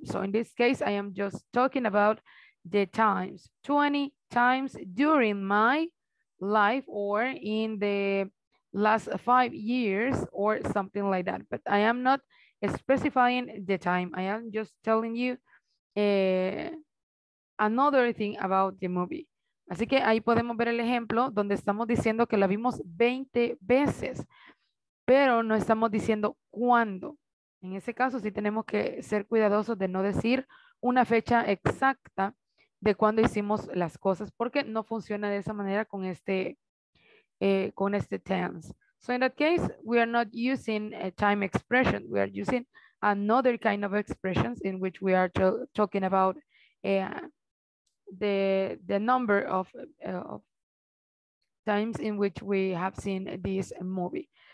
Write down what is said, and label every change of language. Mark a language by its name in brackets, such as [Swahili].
[English] So in this case, I am just talking about the times, 20 times during my life or in the last 5 years or something like that. But I am not specifying the time. I am just telling you another thing about the movie. [Spanish] Así que ahí podemos ver el ejemplo donde estamos diciendo que la vimos 20 veces, pero no estamos diciendo cuándo. En ese caso sí tenemos que ser cuidadosos de no decir una fecha exacta de cuándo hicimos las cosas, porque no funciona de esa manera con este tense. [English] So in that case, we are not using a time expression. We are using another kind of expressions in which we are talking about the number of times in which we have seen this movie.